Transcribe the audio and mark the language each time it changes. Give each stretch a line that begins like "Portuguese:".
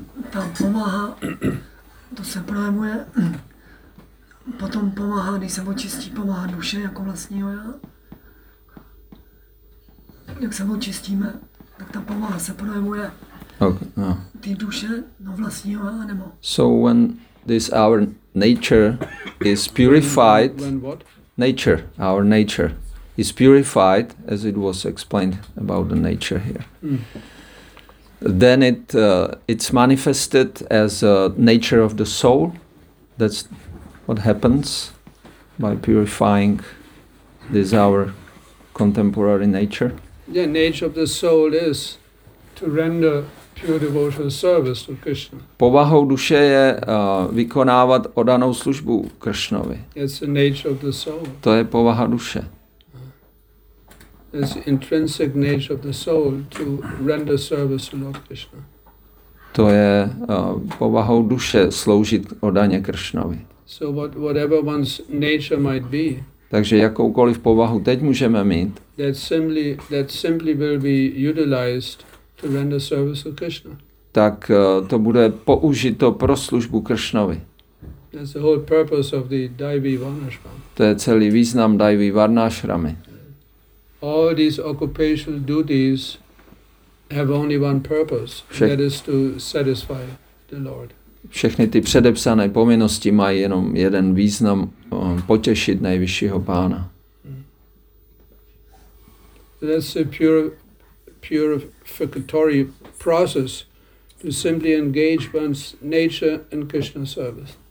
Czech: Tam pomáhá, to se projemuje. Potom pomáhá, když se očistí, pomáhá duše jako vlastního já. Jak se očistíme, tak ta pomáha se projevuje ty duše na vlastní anebo.
English: So when this our nature is purified, our nature is purified, as it was explained about the nature here. Then it's manifested as a nature of the soul. That's what happens by purifying this our contemporary nature. The nature of the soul is to render pure devotional service to Krishna.
Czech: Povahou duše je vykonávat oddanou službu Krishnovi.
English: It's the nature of the soul.
Czech: To je povaha duše.
English: It's the intrinsic nature of the soul to render service to Lord Krishna.
Czech: To je povahou duše sloužit oddaně Krishnovi.
English: So whatever one's nature might be.
Czech: Takže jakoukoliv povahu teď můžeme mít.
English: That simply will be utilized to render service to Krishna.
Czech: Tak to bude použito pro službu Krishnovi.
English: That's the whole purpose of the Daivi Varnashram.
Czech: To je celý význam Daivi Varnashramy.
English: All these occupational duties have only one purpose, that is to satisfy the Lord.
Czech: Všechny ty předepsané povinnosti mají jenom jeden význam, potěšit nejvyššího pána.
English: That's a purificatory process to simply engage one's nature in Krishna service.